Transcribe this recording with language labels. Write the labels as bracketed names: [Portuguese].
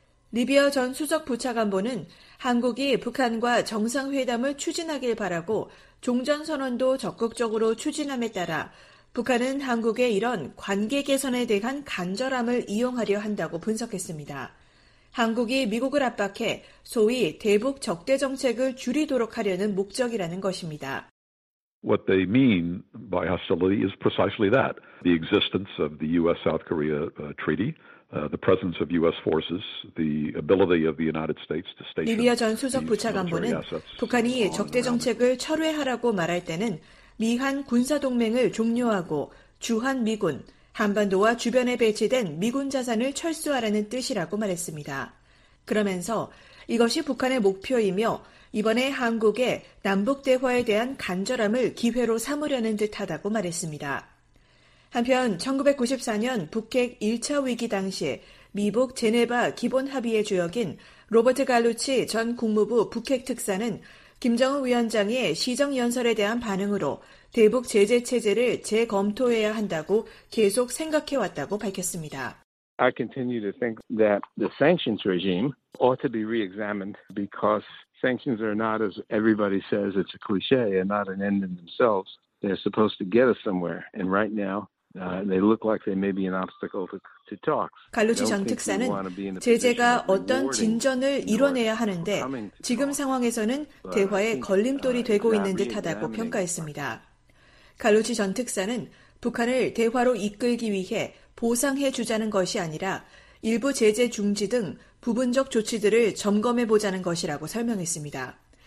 [Korean] 리비아 전 수석 부차관보는 한국이 북한과 정상회담을 추진하길 바라고 종전선언도 적극적으로 추진함에 따라 북한은 한국의 이런 관계 개선에 대한 간절함을 이용하려 한다고 분석했습니다. 한국이 미국을 압박해 소위 대북 적대 정책을 줄이도록 하려는 목적이라는 것입니다. [English] What they mean by hostility is precisely that. The existence of the U.S.-South Korea treaty. The presence of U.S. forces, the ability of the United States to station. [Korean] 리비아 전 수석 부차관보는 북한이 적대 정책을 철회하라고 말할 때는 미한 군사 동맹을 종료하고 주한 미군, 한반도와 주변에 배치된 미군 자산을 철수하라는 뜻이라고 말했습니다. 그러면서 이것이 북한의 목표이며 이번에 한국의 남북 대화에 대한 간절함을 기회로 삼으려는 듯하다고 말했습니다. 한편 1994년 북핵 1차 위기 당시 미북 제네바 기본합의의 주역인 로버트 갈루치 전 국무부 북핵특사는 김정은 위원장의 시정연설에 대한 반응으로 대북 제재 체제를 재검토해야 한다고 계속 생각해왔다고 밝혔습니다. [English] I continue to think that the sanctions regime ought to be re-examined because sanctions are not, as everybody says, it's a cliche and not an end in themselves. They're supposed to get us somewhere, and right now they look like they may be an obstacle to talks. [Korean] 갈루치 전 특사는 제재가 어떤 진전을 이뤄내야 하는데 지금 상황에서는 대화의 걸림돌이 되고 있는 듯하다고 평가했습니다. 갈루치 전 특사는 북한을 대화로 이끌기 위해 보상해 주자는 것이 아니라 일부 제재 중지 등 부분적 조치들을 점검해 보자는 것이라고 설명했습니다.